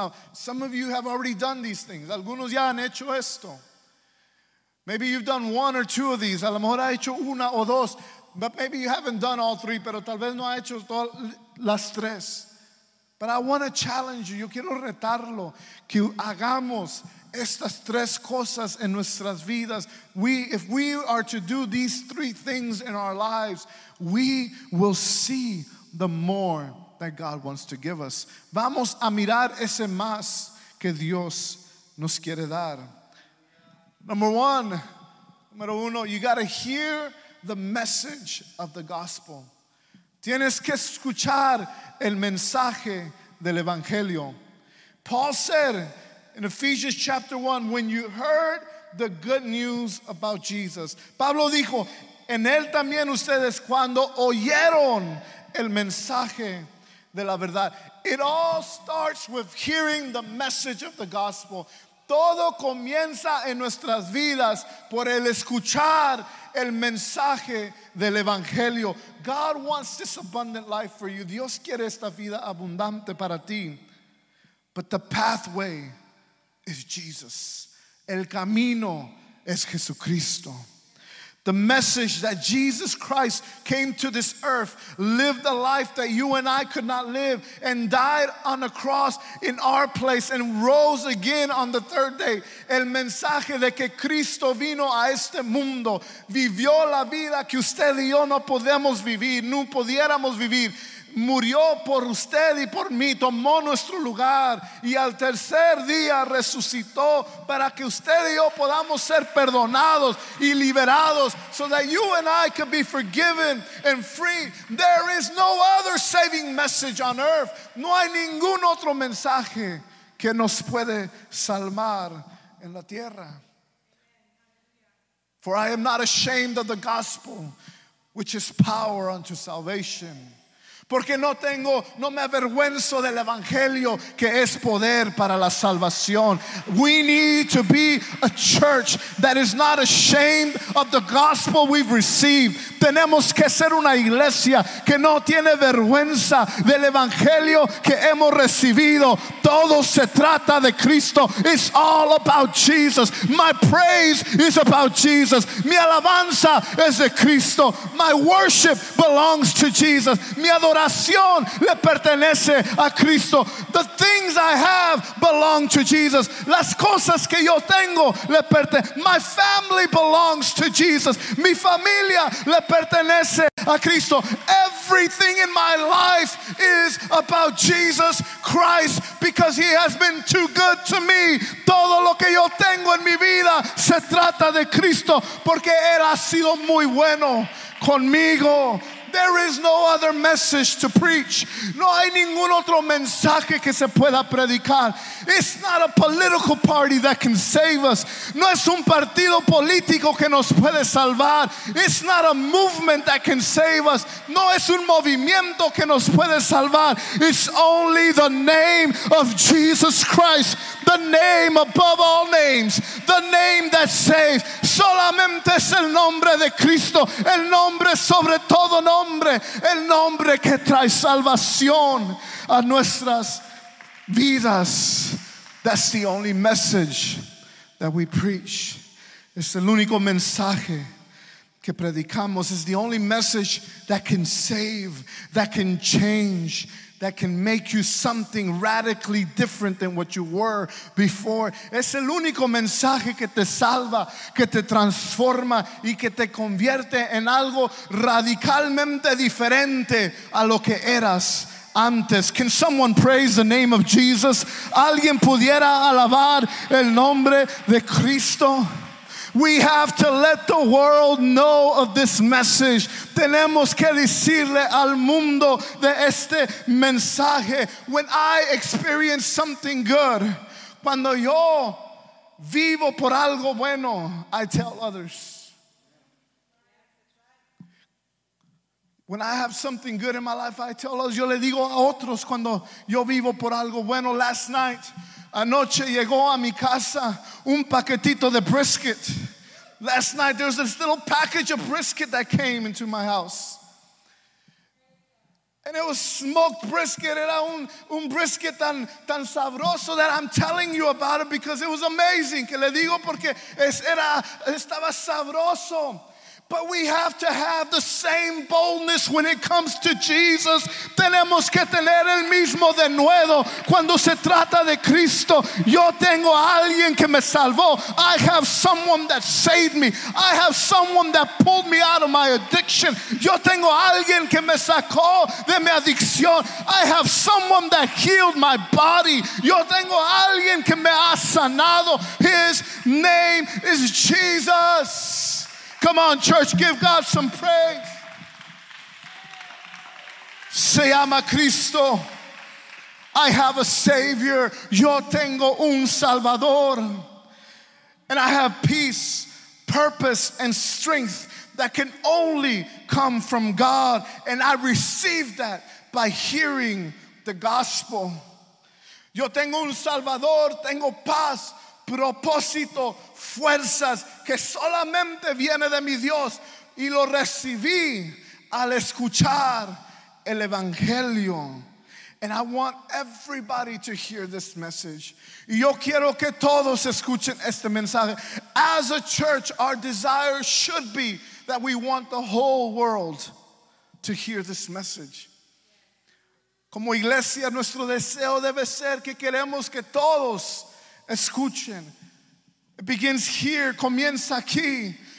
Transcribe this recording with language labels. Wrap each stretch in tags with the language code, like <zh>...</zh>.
<en>Now, some of you have already done these things.</en> <es>Algunos ya han hecho esto.</es> <en>Maybe you've done one or two of these.</en> <es>A lo mejor ha hecho una o dos.</es> <en>But maybe you haven't done all three,</en> <es>pero tal vez no ha hecho todas las tres.</es> <en>But I want to challenge you.</en> <es>Yo quiero retarlo. Que hagamos estas tres cosas en nuestras vidas.</es> <en>If we are to do these three things in our lives, we will see the more that God wants to give us.</en> <es>Vamos a mirar ese más que Dios nos quiere dar. Número uno,</es> <en>you got to hear the message of the gospel.</en> <es>Tienes que escuchar el mensaje del evangelio.</es> <en>Paul said in Ephesians chapter 1, when you heard the good news about Jesus.</en> <es>Pablo dijo, en él también ustedes cuando oyeron el mensaje de la verdad.</es> <en>It all starts with hearing the message of the gospel.</en> <es>Todo comienza en nuestras vidas por el escuchar el mensaje del evangelio.</es> <en>God wants this abundant life for you.</en> <es>Dios quiere esta vida abundante para ti.</es> <en>But the pathway is Jesus.</en> <es>El camino es Jesucristo.</es> <en>The message that Jesus Christ came to this earth, lived a life that you and I could not live, and died on a cross in our place, and rose again on the third day.</en> <es>El mensaje de que Cristo vino a este mundo, vivió la vida que usted y yo no podemos vivir, no pudiéramos vivir. murió por usted y por mí, tomó nuestro lugar y al tercer día resucitó para que usted y yo podamos ser perdonados y liberados,</es> <en>so that you and I can be forgiven and free. There is no other saving message on earth.</en> <es>No hay ningún otro mensaje que nos puede salvar en la tierra.</es> <en>For I am not ashamed of the gospel, which is power unto salvation.</en> <es>Porque no me avergüenzo del evangelio, que es poder para la salvación.</es> <en>We need to be a church that is not ashamed of the gospel we've received.</en> <es>Tenemos que ser una iglesia que no tiene vergüenza del evangelio que hemos recibido. Todo se trata de Cristo.</es> <en>It's all about Jesus. My praise is about Jesus.</en> <es>Mi alabanza es de Cristo.</es> <en>My worship belongs to Jesus.</en> <es>Mi adoración le pertenece a Cristo.</es> <en>The things I have belong to Jesus.</en> <es>Las cosas que yo tengo le pertenecen.</es> <en>My family belongs to Jesus.</en> <es>Mi familia le pertenece a Cristo.</es> <en>Everything in my life is about Jesus Christ, because he has been too good to me.</en> <es>Todo lo que yo tengo en mi vida se trata de Cristo, porque él ha sido muy bueno conmigo.</es> <en>There is no other message to preach.</en> <es>No hay ningún otro mensaje que se pueda predicar.</es> <en>It's not a political party that can save us.</en> <es>No es un partido político que nos puede salvar.</es> <en>It's not a movement that can save us.</en> <es>No es un movimiento que nos puede salvar.</es> <en>It's only the name of Jesus Christ. The name above all names. The name that saves.</en> <es>Solamente es el nombre de Cristo. El nombre sobre todo nombre. El nombre que trae salvación a nuestras vidas.</es> <en>That's the only message that we preach.</en> <es>Es el único mensaje que predicamos.</es> <en>It's the only message that can save, that can change, that can make you something radically different than what you were before.</en> <es>Es el único mensaje que te salva, que te transforma y que te convierte en algo radicalmente diferente a lo que eras antes.</es> <en>Can someone praise the name of Jesus?</en> <es>¿Alguien pudiera alabar el nombre de Cristo?</es> <en>We have to let the world know of this message.</en> <es>Tenemos que decirle al mundo de este mensaje.</es> <en>When I experience something good,</en> <es>cuando yo vivo por algo bueno,</es> <en>I tell others. When I have something good in my life, I tell others.</en> <es>Yo le digo a otros cuando yo vivo por algo bueno.</es> <en>Last night,</en> <es>anoche llegó a mi casa un paquetito de brisket.</es> <en>Last night, there was this little package of brisket that came into my house. And it was smoked brisket.</en> <es>Era un brisket tan sabroso</es> <en>that I'm telling you about it because it was amazing.</en> <es>Que le digo porque estaba sabroso.</es> <en>But we have to have the same boldness when it comes to Jesus.</en> <es>Tenemos que tener el mismo denuedo cuando se trata de Cristo. Yo tengo a alguien que me salvó.</es> <en>I have someone that saved me. I have someone that pulled me out of my addiction.</en> <es>Yo tengo a alguien que me sacó de mi adicción.</es> <en>I have someone that healed my body.</en> <es>Yo tengo a alguien que me ha sanado.</es> <en>His name is Jesus. Come on, church, give God some praise.</en> <es>Se llama Cristo.</es> <en>I have a Savior.</en> <es>Yo tengo un Salvador.</es> <en>And I have peace, purpose, and strength that can only come from God. And I receive that by hearing the gospel.</en> <es>Yo tengo un Salvador. Tengo paz, propósito, fuerzas que solamente viene de mi Dios, y lo recibí al escuchar el evangelio.</es> <en>And I want everybody to hear this message.</en> <es>Y yo quiero que todos escuchen este mensaje.</es> <en>As a church, our desire should be that we want the whole world to hear this message.</en> <es>Como iglesia, nuestro deseo debe ser que queremos que todos escuchen.</es> <en>It begins here,</en> <es>comienza aquí,</es>